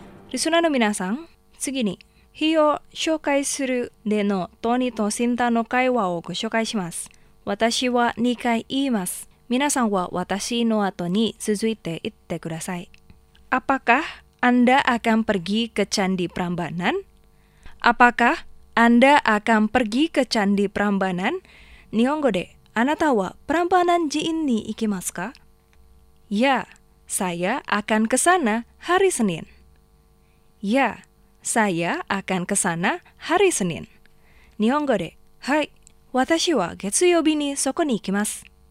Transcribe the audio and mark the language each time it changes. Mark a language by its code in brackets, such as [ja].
[ja] リスナーの皆さん、次に日を紹介するでのトニーとシンタの会話をご紹介します。私は2回言います。皆さんは私の後に続いて言ってください。 [id] Apakah Anda akan pergi ke Candi Prambanan? Apakah Anda akan pergi ke Candi Prambanan? [ja] 日本語で、あなたはプランバナン寺院に行きますか? [id] Ya, saya akan ke sana hari SeninYa, saya akan ke sana hari Senin. [ja] 日本語で、はい、私は月曜日にそこに行きます。